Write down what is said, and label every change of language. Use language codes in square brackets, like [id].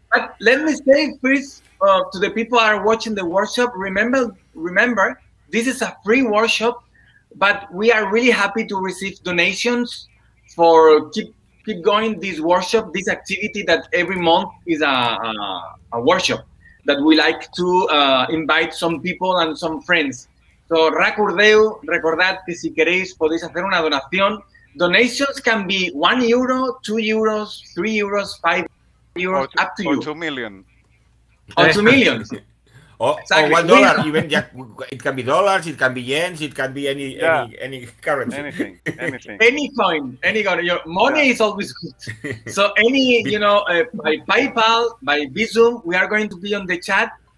[en] But let me say first to the people who are watching the workshop, remember, this is a free workshop, but we are really happy to receive donations for keep going this workshop, this activity that every month is a workshop that we like to invite some people and some friends. [es] So recordad que si queréis podéis hacer una donación. [en] Donations can be 1 euro, 2 euros, 3 euros, 5 euros, up to you. Or 2 million. Or 2 million. Or $1, even it can be dollars, it can be yens, it can be any currency. Anything. Any coin. Your money is always good. So by PayPal, by Bizum, we are going to be on the chat.